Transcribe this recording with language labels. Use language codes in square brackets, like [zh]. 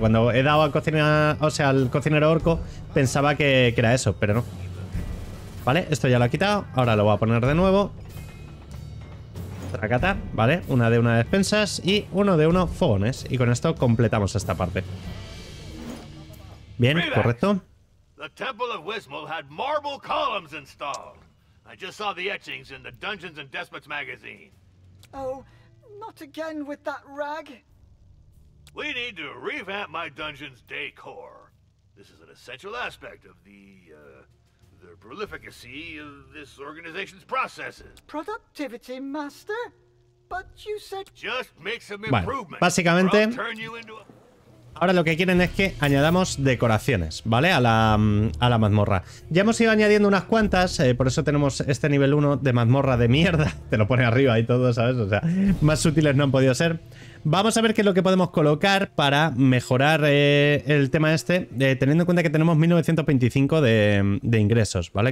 [es] Cuando he dado al cocinero, o sea, al cocinero orco, pensaba que era eso, pero no. Vale, esto ya lo ha quitado. Ahora lo voy a poner de nuevo. Tracata, ¿vale? Una de una despensas y uno de unos fogones. Y con esto completamos esta parte. Bien, correcto. [en] The Temple of Wismol had marble columns installed. I just saw the etchings in the Dungeons and Despots magazine. Oh, not again with that rag. We need to revamp my dungeon's decor. This is an essential aspect of the prolificacy of this organization's processes. Productivity, master? But you said just make some improvements. [es] Bueno, básicamente, ahora lo que quieren es que añadamos decoraciones, ¿vale? A la mazmorra. Ya hemos ido añadiendo unas cuantas, por eso tenemos este nivel 1 de mazmorra de mierda. Te lo pone arriba y todo, ¿sabes? O sea, más útiles no han podido ser. Vamos a ver qué es lo que podemos colocar para mejorar el tema este, teniendo en cuenta que tenemos 1925 de ingresos, ¿vale?